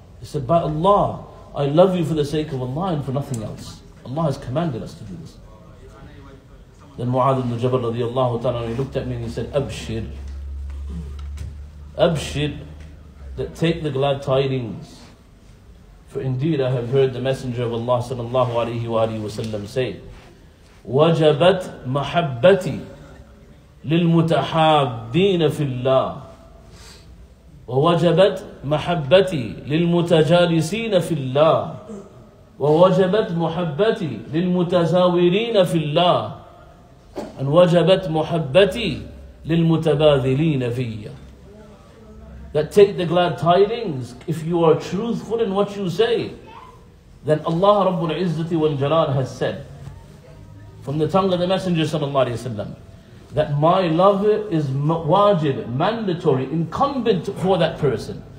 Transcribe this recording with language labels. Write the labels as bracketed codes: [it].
[en] He said, by Allah, I love you for the sake of Allah and for nothing else. Allah has commanded us to do this. Then Mu'adh ibn Jabal radiallahu ta'ala, he looked at me and he said, Abshir. Abshir, that take the glad tidings. For indeed I have heard the Messenger of Allah sallallahu alayhi wa alayhi wa sallam say, [ar] وَجَبَتْ مَحَبَّتِي لِلْمُتَحَابِّينَ فِي اللَّهِ وَوَجَبَتْ مَحَبَّتِي لِلْمُتَجَالِسِينَ فِي اللَّهِ وَوَجَبَتْ مُحَبَّتِي لِلْمُتَزَاوِرِينَ فِي اللَّهِ and وَجَبَتْ مُحَبَّتِي لِلْمُتَبَاذِلِينَ فِيَّ. [en] That take the glad tidings, if you are truthful in what you say, then Allah Rabbul Izzati wal Jalal has said, from the tongue of the Messenger sallallahu alayhi wa sallam, that my love is wajib, mandatory, incumbent for that person.